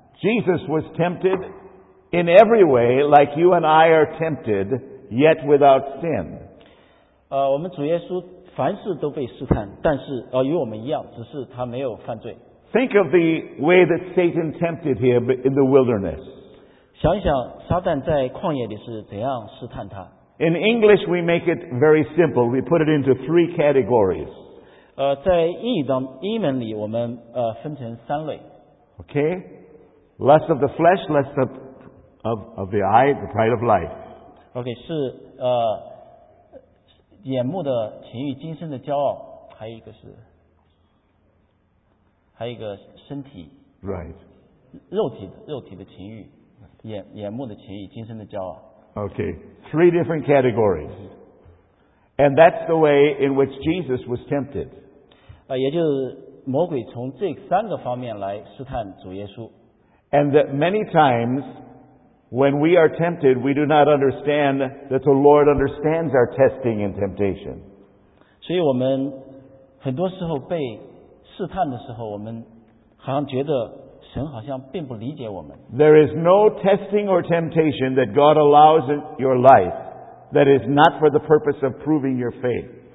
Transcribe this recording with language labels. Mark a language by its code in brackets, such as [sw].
[en] Jesus was tempted in every way like you and I are tempted, yet without sin. [zh] 我们主耶稣凡事都被试探但是与我们一样只是他没有犯罪。 [en] Think of the way that Satan tempted him in the wilderness. [zh] 想一想撒旦在旷野里是怎样试探他。 [en] In English, we make it very simple. We put it into three categories. [zh] 在英文里我们分成三类。 [en] Okay? Lust of the flesh, lust of the eye, the pride of life. [zh] Okay, 是眼目的情欲今生的骄傲还有一个是还有一个身体。 [en] Right. [zh] 肉体的情欲，眼目的情欲，今生的骄傲。 [en] Okay, three different categories. And that's the way in which Jesus was tempted. [zh] 也就是魔鬼从这三个方面来试探主耶稣。 [en] And that many times, when we are tempted, we do not understand that the Lord understands our testing and temptation. [zh] 所以我们很多时候被试探的时候，我们好像觉得神好像并不理解我们。 [en] There is no testing or temptation that God allows in your life that is not for the purpose of proving your faith.